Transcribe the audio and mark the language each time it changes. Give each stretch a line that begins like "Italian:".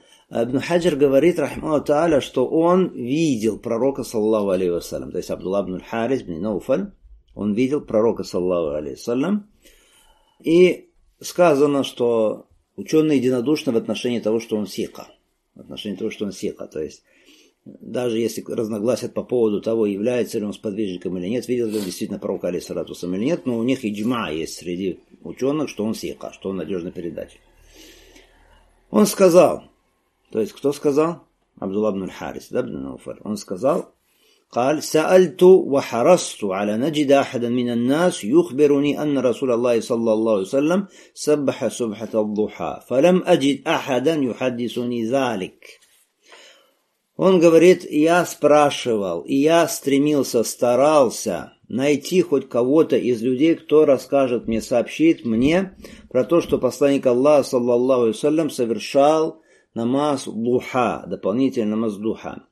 Russian: Ибн Хаджр говорит, рахмаху тааля, что он видел пророка, саллаллаху алейхи вассалям, то есть Абдулла ибн Харис ибн Науфаль, он видел пророка, саллаллаху алейхи вассалям, и сказано, что ученые единодушны в отношении того, что он сика, в отношении того, что он сика, то есть даже если разногласят по поводу того, является ли он сподвижником или нет, видел ли он действительно пророка, алейхи салатусам, или нет, но у них иджма есть среди ученых, что он сика, что он надежный передатель. Он сказал... То есть, кто сказал? Абдулла ибн Харис, да, ибн Науфаль. Он сказал,
Arabic: قال, سألتُ وحرصتُ على نجد أحدًا من الناس يخبرني أن رسول الله صلى الله عليه وسلم سبح سبحة الضحى فلم أجد أحدًا يحدثني ذلك.
Russian: Он говорит, я спрашивал, и я стремился, старался найти хоть кого-то из людей, кто расскажет мне, сообщит мне про то, что посланник Аллаха, صلى الله عليه وسلم, совершал намаз духа, дополнительный намаз духа.